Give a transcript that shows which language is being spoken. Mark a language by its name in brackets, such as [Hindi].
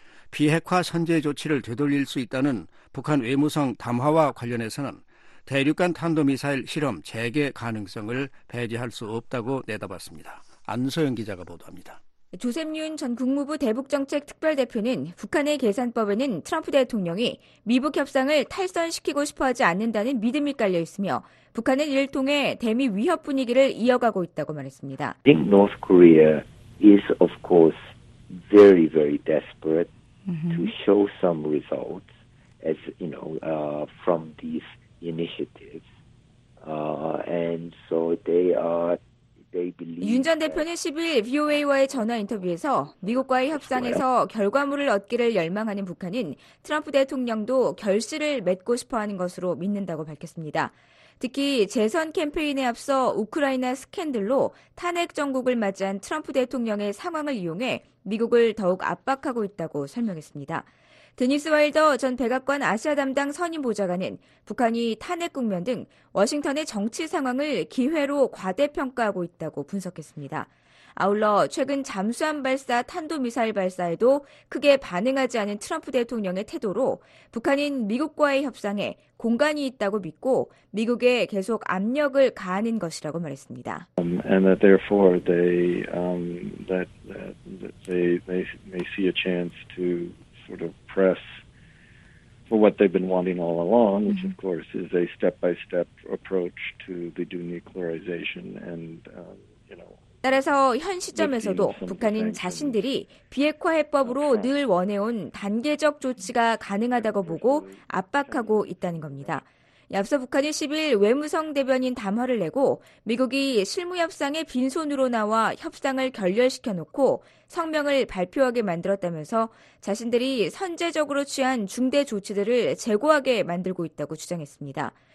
[Korean] 비핵화 선제 조치를 되돌릴 수 있다는 북한 외무성 담화와 관련해서는 대륙간 탄도미사일 실험 재개 가능성을 배제할 수 없다고 내다봤습니다. 안소영 기자가 보도합니다. 조셉윤 전 국무부 대북정책특별대표는 북한의 계산법에는 트럼프 대통령이 미북 협상을 탈선시키고 싶어하지 않는다는 믿음이 깔려 있으며 북한은 이를 통해 대미 위협 분위기를 이어가고 있다고 말했습니다. [English] I think North Korea is of course very very desperate to show some results as you know from these initiatives and so they are. [Korean] 윤 전 대표는 10일 VOA와의 전화 인터뷰에서 미국과의 협상에서 결과물을 얻기를 열망하는 북한은 트럼프 대통령도 결실을 맺고 싶어하는 것으로 믿는다고 밝혔습니다. 특히 재선 캠페인에 앞서 우크라이나 스캔들로 탄핵 정국을 맞이한 트럼프 대통령의 상황을 이용해 미국을 더욱 압박하고 있다고 설명했습니다. 데니스 와일더 전 백악관 아시아 담당 선임 보좌관은 북한이 탄핵 국면 등 워싱턴의 정치 상황을 기회로 과대평가하고 있다고 분석했습니다. 아울러 최근 잠수함 발사 탄도미사일 발사에도 크게 반응하지 않은 트럼프 대통령의 태도로 북한인 미국과의 협상에 공간이 있다고 믿고 미국에 계속 압력을 가하는 것이라고 말했습니다. [English] And that therefore they may see a chance to sort of press for what they've been wanting all along, which of course is a step-by-step approach to the denuclearization and you know. [Korean] 따라서 현 시점에서도 북한은 자신들이 비핵화 해법으로 늘 원해온 단계적 조치가 가능하다고 보고 압박하고 있다는 겁니다. 앞서 북한이 10일 외무성 대변인 담화를 내고 미국이 실무협상에 빈손으로 나와 협상을 결렬시켜놓고 성명을 발표하게 만들었다면서 자신들이 선제적으로 취한 중대 조치들을 재고하게 만들고 있다고 주장했습니다.